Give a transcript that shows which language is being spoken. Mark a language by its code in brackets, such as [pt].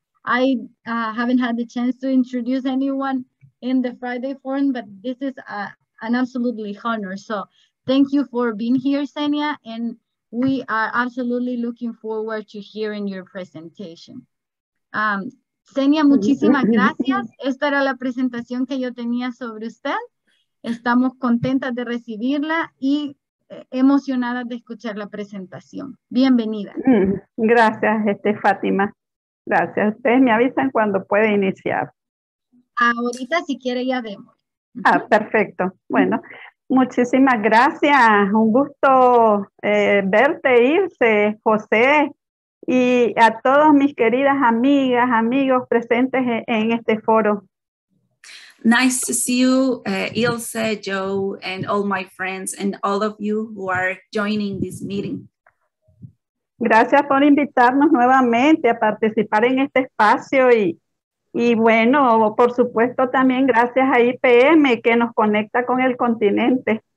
[en] I haven't had the chance to introduce anyone in the Friday forum, but this is an absolutely honor. So thank you for being here, Xenia, and we are absolutely looking forward to hearing your presentation. [es] Xenia, muchísimas gracias. Esta era la presentación que yo tenía sobre usted. Estamos contentas de recibirla y emocionadas de escuchar la presentación. Bienvenida. Gracias, Fátima. Gracias. Ustedes me avisan cuando puede iniciar. Ahorita, si quiere, ya vemos. Ah, perfecto. Bueno, muchísimas gracias. Un gusto verte irse, José. Y a todas mis queridas amigas, amigos presentes en este foro. [en] Nice to see you, Ilse, Joe, and all my friends, and all of you who are joining this meeting. [es] Gracias por invitarnos nuevamente a participar en este espacio. Y bueno, por supuesto, también gracias a IPM, que nos conecta con el continente.